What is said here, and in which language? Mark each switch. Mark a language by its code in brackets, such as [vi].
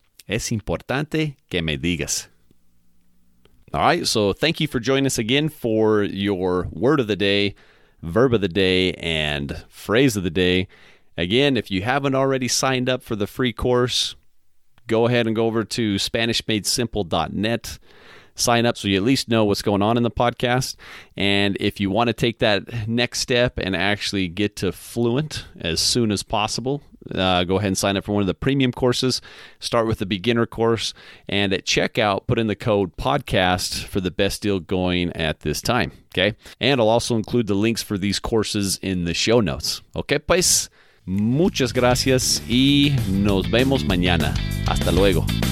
[es] Es importante que me digas. [en] All right, so thank you for joining us again for your word of the day, verb of the day, and phrase of the day. Again, if you haven't already signed up for the free course, go ahead and go over to SpanishMadeSimple.net. Sign up so you at least know what's going on in the podcast. And if you want to take that next step and actually get to fluent as soon as possible, go ahead and sign up for one of the premium courses. Start with the beginner course. And at checkout, put in the code podcast for the best deal going at this time. Okay. And I'll also include the links for these courses in the show notes. [es] Okay, pues. Muchas gracias y nos vemos mañana. Hasta luego.